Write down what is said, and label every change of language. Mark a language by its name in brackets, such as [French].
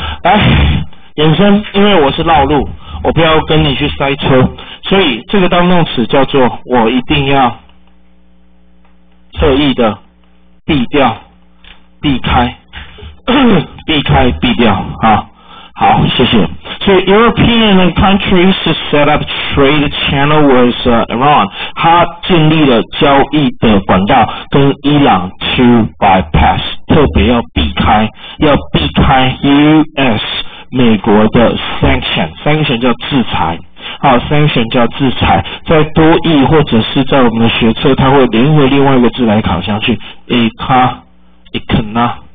[Chinese] 来，延伸，因为我是绕路，我不要跟你去塞车，所以这个当动词叫做我一定要特意的避掉、避开、避开、避掉啊。好，谢谢。 [English] So European countries set up trade channel with Iran. [Chinese] 他建立了交易的管道跟伊朗 [English] to bypass， [Chinese] 特别要避开，要避开 US 美国的 sanction， sanction 叫制裁。好 ，sanction 叫制裁，在多益或者是在我们的学测，它会联合另外一个字来考上去 ，econa。